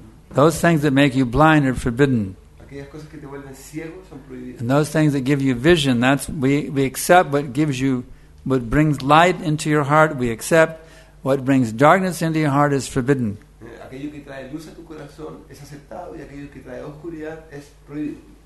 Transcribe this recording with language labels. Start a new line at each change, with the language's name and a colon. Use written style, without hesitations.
English: Those things that make you blind are forbidden.
Spanish: Aquellas cosas que te vuelven ciego son prohibidas.
English: And those things that give you vision, that's we accept what gives you, what brings light into your heart, we accept. What brings darkness into your heart is forbidden.
Spanish: Aquello que trae luz a tu corazón es aceptado y aquello que trae oscuridad es prohibido.